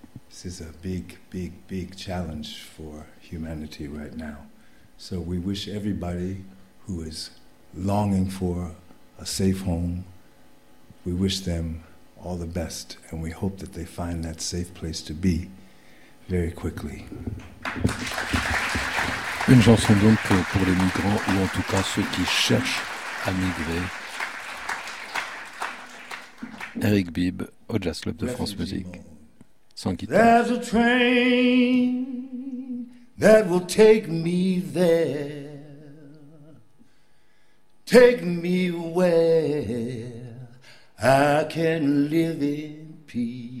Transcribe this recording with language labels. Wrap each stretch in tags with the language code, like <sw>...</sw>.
<en>This is a big, big, big challenge for humanity right now. So we wish everybody who is longing for a safe home, we wish them all the best, and we hope that they find that safe place to be very quickly.</en> <fr>Une chanson donc pour les migrants, ou en tout cas ceux qui cherchent à migrer. Eric Bibb au Jazz Club de France Musique, sans guitare.</fr> <en>There's a train that will take me there, take me where I can live in peace.</en>